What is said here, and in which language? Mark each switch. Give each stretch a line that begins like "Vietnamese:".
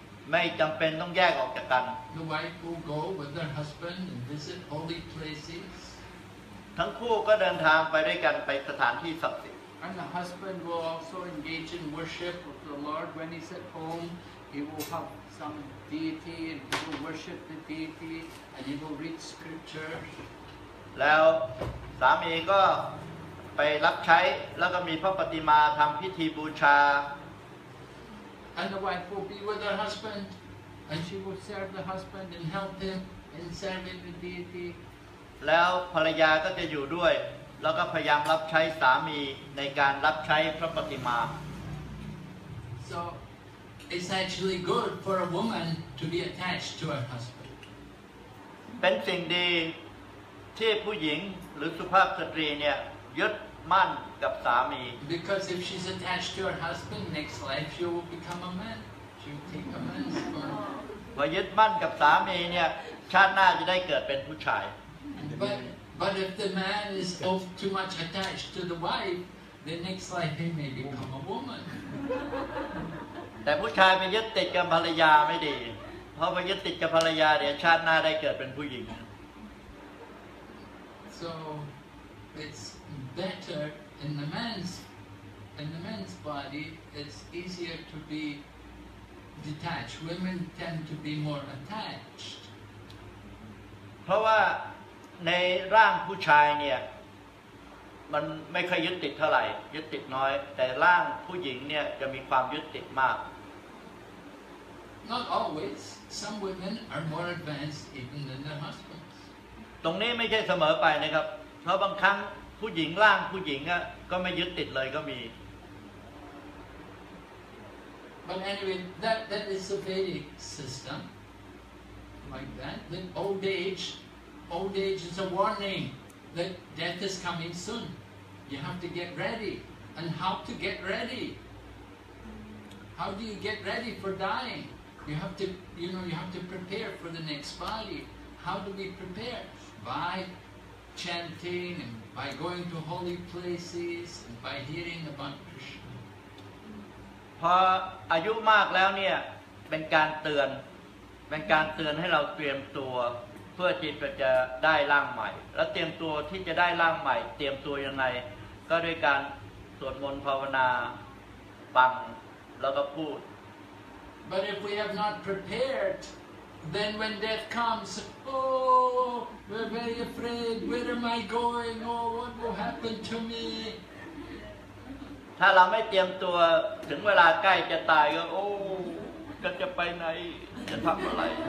Thai: ไม่จำเป็นต้องแยกออกจากกัน
English: The wife will go with her husband and visit holy places.
Thai: ทั้งคู่ก็เดินทางไปด้วยกันไปสถานที่ศักดิ์สิทธิ์
English: And the husband will also engage in worship of the Lord when he's at home. He will have some deity and he will worship the deity and he will read scripture.
Thai: แล้วสามีก็ไปรับใช้แล้วก็มีพระปฏิมาทำพิธีบูชา
English: And the wife will be with her husband, and she will serve the husband and help him in serving the deity.
Thai: แล้วภรรยาก็จะอยู่ด้วยแล้วก็พยายามรับใช้สามีในการรับใช้พระปฏิมา
English: So, it's actually good for a woman to be attached to her husband.
Thai: เป็นสิ่งดีที่ผู้หญิงหรือสุภาพสตรีเนี่ยยึดมั่นกับสามี
English: Because if she's attached to her husband, next life she will become a man. She will take a man's form.
Thai: พอยึดมั่นกับสามีเนี่ยชาติหน้าจะได้เกิดเป็นผู้ชาย
English: But if the man is of too much attached to the wife, then next life he may become a woman.
Thai: แต่ผู้ชายไปยึดติดกับภรรยาไม่ดีเพราะไปยึดติดกับภรรยาเดี๋ยวชาติหน้าได้เกิดเป็นผู้หญิง
English: So it'sBetter in the man's body, it's easier to be detached. Women tend to be more attached.
Thai: เพราะว่าในร่างผู้ชายเนี่ยมันไม่ค่อยยึดติดเท่าไหร่ยึดติดน้อยแต่ร่างผู้หญิงเนี่ยจะมีความยึดติดมาก
English: Not always. Some women are more advanced even than their husbands.
Thai: ตรงนี้ไม่ใช่เสมอไปนะครับเพราะบางครั้งผู้หญิงร่างผู้หญิงอะก็ไม่ยึดติดเลยก็มี
English: But anyway that is a Vedic system like that then old age is a warning that death is coming soon You have to get ready. And how to get ready? How do you get ready for dying? You have to, you know, you have to prepare for the next body. How do we prepare? By chanting and by going to holy places and by hearing about Krishna.
Thai: พออายุมากแล้วเนี่ยเป็นการเตือนเป็นการเตือนให้เราเตรียมตัวเพื่อจิตจะได้ร่างใหม่แล้วเตรียมตัวที่จะได้ร่างใหม่เตรียมตัวยังไงก็ด้วยการสวดมนต์ภาวนาฟังแล้วก็พูด
English: But if we have not prepared then when death comes oh we're very afraid where am I going oh what will happen to me
Thai: ถ้าเราไม่เตรียมตัวถึงเวลาใกล้จะตายก็โอ้ก็จะไปไหนจะทำอะไร